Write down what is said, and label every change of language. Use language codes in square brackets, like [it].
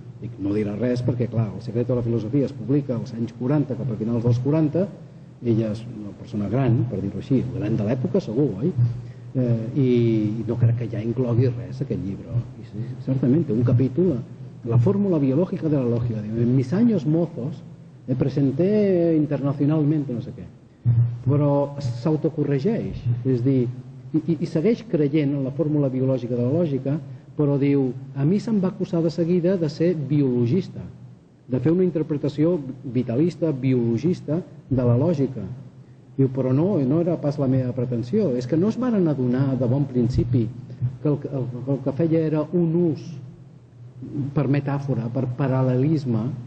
[ca] Dic, no dirà res perquè, clar, El secreto de la filosofia es publica als anys 40, cap a finals dels 40, ella és una persona gran, per dir-ho així, gran de l'època segur, oi? I no crec que ja inclogui res aquest llibre. I certament té un capítol... La fórmula biològica de la lògica. [es] En mis años mozos me presenté internacionalmente, [ca] no sé què. Però s'autocorregeix, és dir, i segueix creient en la fórmula biològica de la lògica, però diu, a mi se'm va acusar de seguida de ser biologista, de fer una interpretació vitalista, biologista, de la lògica. Diu, però no, no era pas la meva pretensió, és que no es van adonar de bon principi que el que feia era un ús per metàfora, per paral·lelisme